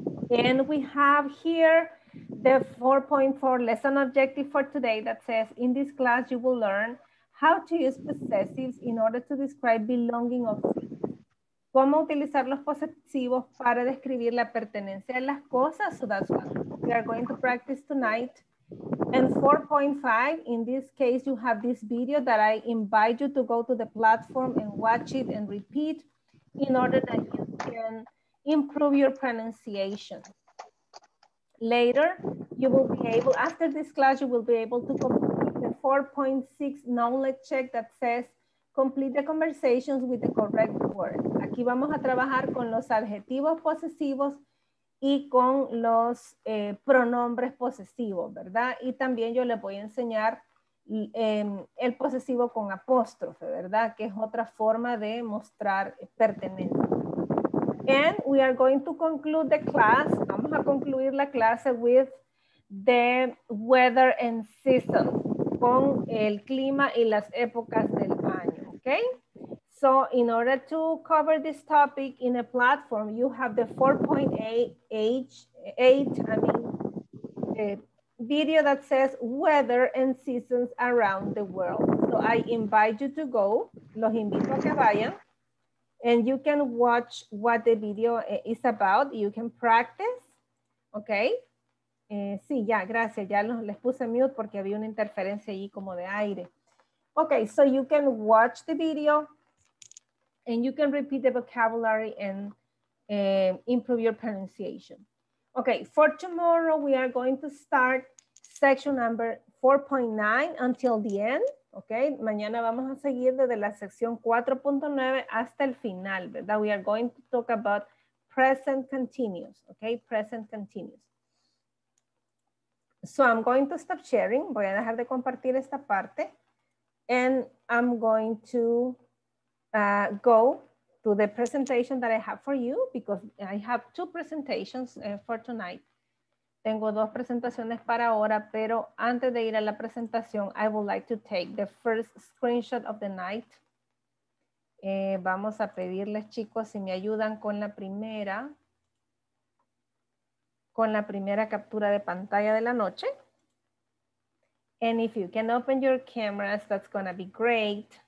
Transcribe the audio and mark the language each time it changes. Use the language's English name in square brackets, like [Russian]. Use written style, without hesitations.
[English] And we have here the 4.4 lesson objective for today that says, in this class, you will learn how to use possessives in order to describe belonging of things. [Spanish] ¿Cómo utilizar los posesivos para describir la pertenencia de las cosas? [English] So that's what we are going to practice tonight. And 4.5, in this case, you have this video that I invite you to go to the platform and watch it and repeat in order that you can improve your pronunciation. Later, you will be able, after this class, you will be able to complete the 4.6 knowledge check that says, complete the conversations with the correct word. [Spanish] Aquí vamos a trabajar con los adjetivos posesivos y con los pronombres posesivos, ¿verdad? Y también yo le voy a enseñar el posesivo con apóstrofe, ¿verdad? Que es otra forma de mostrar pertenencia. [English] And we are going to conclude the class. [Spanish] Vamos a concluir la clase [English] with the weather and season, [Spanish] con el clima y las épocas del año, ¿okay? [English] So in order to cover this topic in a platform, you have the 4.8 video that says weather and seasons around the world. So I invite you to go, [Spanish] los invito a que vayan, [English] and you can watch what the video is about. You can practice, okay? [Spanish] Sí, ya, gracias, ya les puse mute porque había una interferencia allí como de aire. [English] Okay, so you can watch the video and you can repeat the vocabulary and improve your pronunciation. Okay, for tomorrow we are going to start section number 4.9 until the end. [Spanish] Okay, mañana vamos a seguir desde la sección 4.9 hasta el final, ¿verdad? [English] We are going to talk about present continuous. Okay, present continuous. So I'm going to stop sharing. [Spanish] Voy a dejar de compartir esta parte. [English] And I'm going to go to the presentation that I have for you because I have two presentations for tonight. [Spanish] Tengo dos presentaciones para ahora, pero antes de ir a la presentación, [English] I would like to take the first screenshot of the night. [Spanish] Vamos a pedirles, chicos, si me ayudan con la primera. Con la primera captura de pantalla de la noche. [English] And if you can open your cameras, that's going to be great.